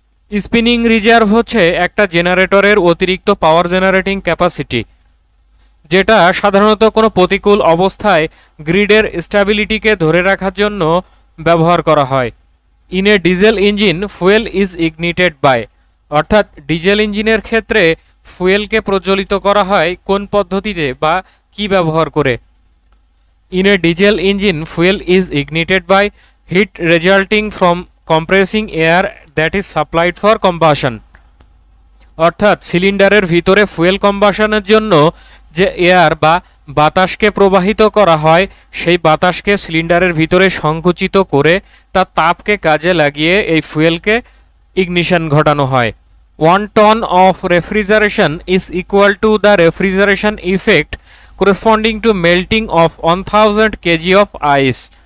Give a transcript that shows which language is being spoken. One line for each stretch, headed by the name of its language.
Bangla: Spinning reserve হচ্ছে একটা জেনারেটরের অতিরিক্ত পাওয়ার জেনারেটিং ক্যাপাসিটি, যেটা সাধারণত কোনো প্রতিকূল অবস্থায় গ্রিডের স্ট্যাবিলিটিকে ধরে রাখার জন্য ব্যবহার করা হয়।
English: in a diesel engine fuel is ignited by,
Bangla: অর্থাৎ ডিজেল ইঞ্জিনের ক্ষেত্রে ফুয়েলকে প্রজ্বলিত করা হয় কোন পদ্ধতিতে বা কি ব্যবহার করে?
English: In a diesel engine, fuel is ignited by heat resulting from compressing air that is supplied for combustion.
Bangla: অর্থাৎ সিলিন্ডারের ভিতরে ফুয়েল কম্বাশনের জন্য যে এয়ার বা বাতাসকে প্রবাহিত করা হয়, সেই বাতাসকে সিলিন্ডারের ভিতরে সংকুচিত করে তা তাপকে কাজে লাগিয়ে এই ফুয়েলকে ইগনিশন ঘটানো হয়।
English: One ton of refrigeration is equal to the refrigeration effect corresponding to melting of 1000 kg of ice.